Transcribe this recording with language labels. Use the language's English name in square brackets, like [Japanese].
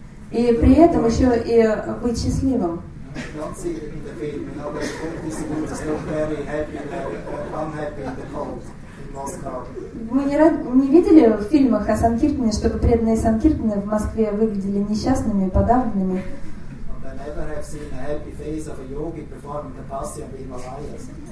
[Russian] И при этом еще и быть счастливым. [English] Don't see it in the film, you know, the book distributor is not very happy or unhappy in the cold in Moscow. [Russian] Мы не видели в фильмах о санкиртане, чтобы преданные санкиртаны в Москве выглядели несчастными, подавленными. [English] I never have seen a happy face of a yogi performing tapasya in Himalayas.